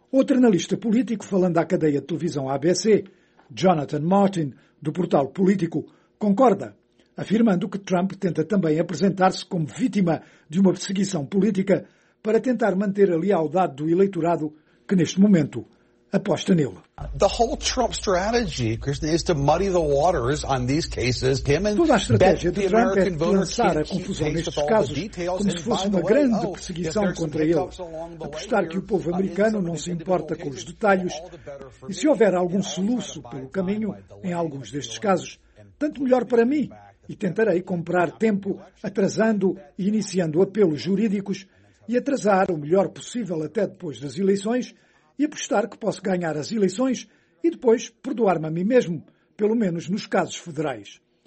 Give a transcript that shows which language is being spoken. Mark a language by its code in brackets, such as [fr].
[pt] Outro analista político, falando à cadeia de televisão ABC, Jonathan Martin, do portal Político, concorda, afirmando que Trump tenta também apresentar-se como vítima de uma perseguição política para tentar manter a lealdade do eleitorado que, neste momento, aposta nele. [en] The whole Trump strategy, Christian, is to muddy the waters on these cases. [pt] Toda a estratégia de Trump é de lançar a confusão nestes casos, como se fosse uma grande perseguição contra ele, apostar que o povo americano não se importa com os detalhes, e se houver algum soluço pelo caminho, em alguns destes casos, tanto melhor para mim, e tentarei comprar tempo atrasando e iniciando apelos jurídicos e atrasar o melhor possível até depois das eleições, e apostar que posso ganhar as eleições e depois perdoar-me a mim mesmo, pelo menos nos casos federais.